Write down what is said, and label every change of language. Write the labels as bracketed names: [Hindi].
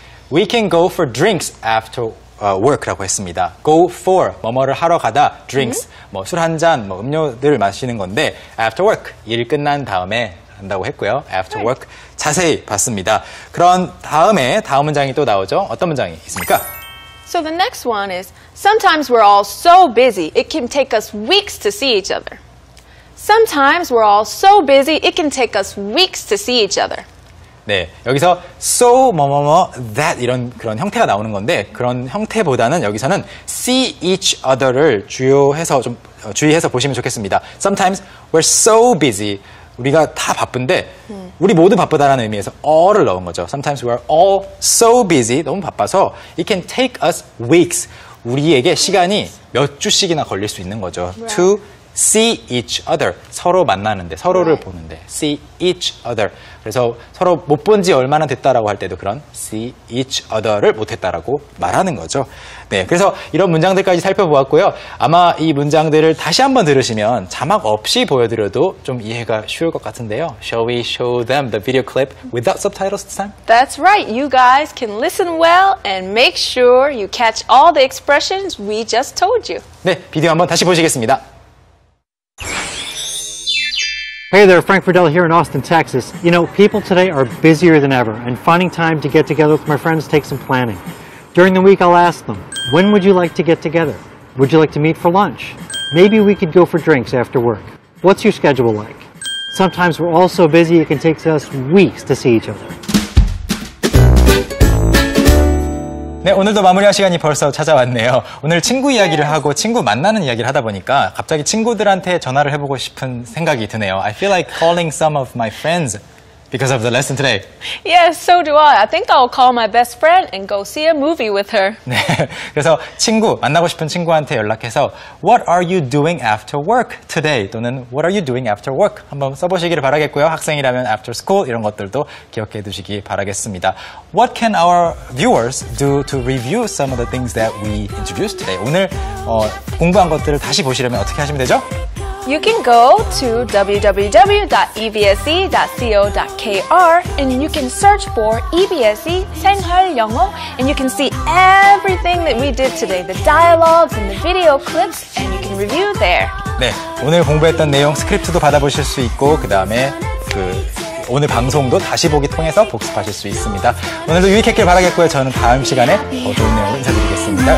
[English] We can go for drinks after work라고 했습니다. Go for, [Korean] 뭐뭐를 하러 가다, drinks, 뭐 술 한 잔, 뭐 음료들 마시는 건데 [English] after work, [Korean] 일 끝난 다음에 한다고 했고요. [English] After work, [Korean] 자세히 봤습니다. 그런 다음에 다음 문장이 또 나오죠. 어떤 문장이 있습니까? [English] So the next one is, sometimes we're all so busy, it can take us weeks to see each other. Sometimes we're all so busy, it can take us weeks to see each other. [Korean] 네, 여기서 so 뭐뭐뭐 that 이런 그런 형태가 나오는 건데 그런 형태보다는 여기서는 [English] see each other [Korean] 를 주요해서 좀 주의해서 보시면 좋겠습니다. [English] Sometimes we're so busy. [Korean] 우리가 다 바쁜데 우리 모두 바쁘다라는 의미에서 all을 넣은 거죠. [English] Sometimes we're all so busy. [Korean] 너무 바빠서 [English] it can take us weeks. [Korean] 우리에게 시간이 몇 주씩이나 걸릴 수 있는 거죠. [English] Right. To see each other. [Korean] 서로 만나는데, 서로를 [English] right. [Korean] 보는데. [English] See each other. [Korean] 그래서 서로 못 본 지 얼마나 됐다라고 할 때도 그런 [English] see each other [Korean] 를 못 했다라고 말하는 거죠. 네. 그래서 이런 문장들까지 살펴보았고요. 아마 이 문장들을 다시 한번 들으시면 자막 없이 보여드려도 좀 이해가 쉬울 것 같은데요. [English] Shall we show them the video clip without subtitles this time? That's right. You guys can listen well and make sure you catch all the expressions we just told you. [Korean] 네. 비디오 한번 다시 보시겠습니다. [English] Hey there, Frank Verdell here in Austin, Texas. You know, people today are busier than ever, and finding time to get together with my friends takes some planning. During the week, I'll ask them, when would you like to get together? Would you like to meet for lunch? Maybe we could go for drinks after work. What's your schedule like? Sometimes we're all so busy, it can take us weeks to see each other. [Korean] 네, 오늘도 마무리할 시간이 벌써 찾아왔네요. 오늘 친구 이야기를 하고 친구 만나는 이야기를 하다 보니까 갑자기 친구들한테 전화를 해보고 싶은 생각이 드네요. [English] I feel like calling some of my friends because of the lesson today. Yes, so do I. I think I'll call my best friend and go see a movie with her. [Korean] 네, 그래서 친구, 만나고 싶은 친구한테 연락해서 [English] What are you doing after work today? [Korean] 또는 [English] What are you doing after work? [Korean] 한번 써보시기를 바라겠고요. 학생이라면 [English] after school [Korean] 이런 것들도 기억해 두시기 바라겠습니다. [English] What can our viewers do to review some of the things that we introduced today? [Korean] 오늘 공부한 것들을 다시 보시려면 어떻게 하시면 되죠? [English] You can go to www.ebse.co.kr and you can search for EBSe 생활영어 and you can see everything that we did today, the dialogues and the video clips and you can review there. [Korean] 네, 오늘 공부했던 내용 스크립트도 받아보실 수 있고 그다음에 오늘 방송도 다시 보기 통해서 복습하실 수 있습니다. 오늘도 유익했길 바라겠고요. 저는 다음 시간에 더 좋은 내용 인사드리겠습니다.